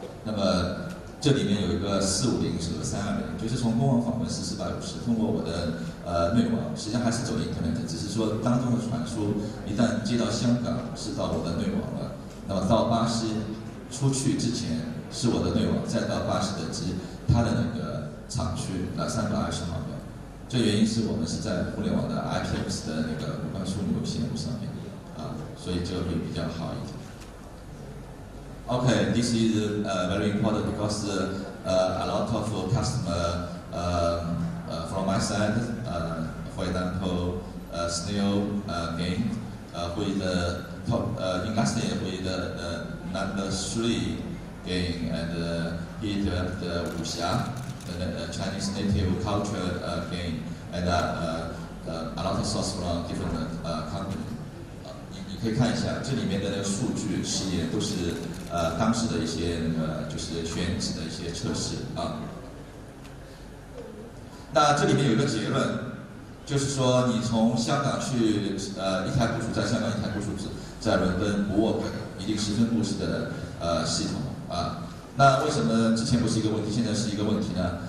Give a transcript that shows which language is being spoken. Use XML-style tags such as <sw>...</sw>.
<zh>那么这里面有一个450和320，就是从公网访问是450，通过我的内网，实际上还是走 internet， 只是说当中的传输一旦接到香港是到我的内网了，那么到巴西出去之前是我的内网，再到巴西的机它的那个厂区那320毫秒。这原因是我们是在互联网的 IPX 的那个无关枢纽线路上面所以这个会比较好一点。</zh> <en>OK， this is very important because a lot of customer from my side for example Snail Game with the top in last year with the number 3 game and he developed Wuxia the Chinese native culture game and a lot of source from different companies。</en> <zh>可以看一下这里面的那个数据实验都是当时的一些那个就是选址的一些测试那这里面有一个结论，就是说你从香港去一台部署在香港，一台部署在伦敦不 work， 一定十分不适的系统那为什么之前不是一个问题，现在是一个问题呢？</zh>